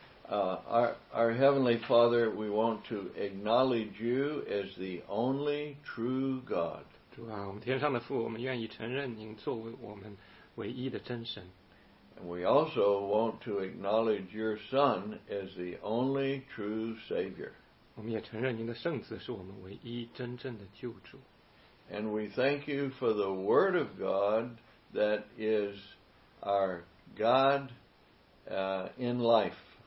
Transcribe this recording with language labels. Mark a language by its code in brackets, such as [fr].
[en] Our Heavenly Father, we want to acknowledge you as the only true God. [zh] 主啊, 我们天上的父, 我们愿意承认您作为我们唯一的真神。 [en] And we also want to acknowledge your Son as the only true Savior. [zh] 我们也承认您的圣子是我们唯一真正的救主。 [en] And we thank you for the Word of God that is our God in life.